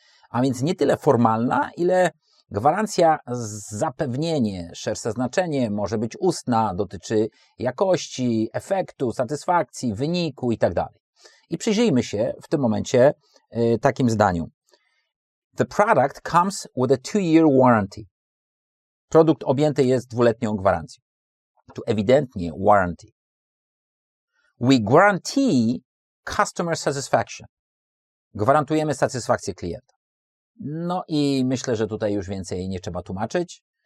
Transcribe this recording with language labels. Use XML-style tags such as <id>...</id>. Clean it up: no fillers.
<pl>A więc nie tyle formalna, ile gwarancja zapewnienie, szersze znaczenie, może być ustna, dotyczy jakości, efektu, satysfakcji, wyniku i tak dalej. I przyjrzyjmy się w tym momencie takim zdaniu.</pl> <en>The product comes with a 2-year warranty.</en> <pl>Produkt objęty jest 2-letnią gwarancją. Tu ewidentnie warranty.</pl> <en>We guarantee customer satisfaction.</en> <pl>Gwarantujemy satysfakcję klienta. No i myślę, że tutaj już więcej nie trzeba tłumaczyć.</pl>